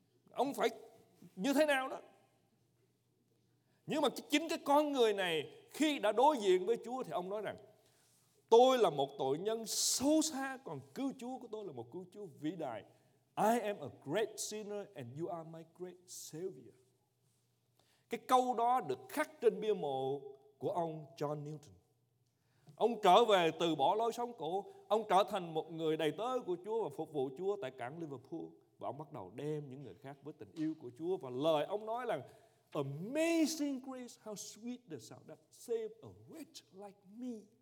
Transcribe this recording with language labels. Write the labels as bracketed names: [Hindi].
[Vietnamese] Ông phải như thế nào đó? Nhưng mà chính cái con người này khi đã đối diện với Chúa thì ông nói rằng tôi là một tội nhân xấu xa, còn cứu Chúa của tôi là một cứu Chúa vĩ đại. [English] I am a great sinner and you are my great savior. [Vietnamese] Cái câu đó được khắc trên bia mộ của ông John Newton. Ông trở về từ bỏ lối sống cũ, ông trở thành một người đầy tớ của Chúa và phục vụ Chúa tại cảng Liverpool. Và ông bắt đầu đem những người khác với tình yêu của Chúa. Và lời ông nói là [English] Amazing grace, how sweet the sound that saved a wretch like me.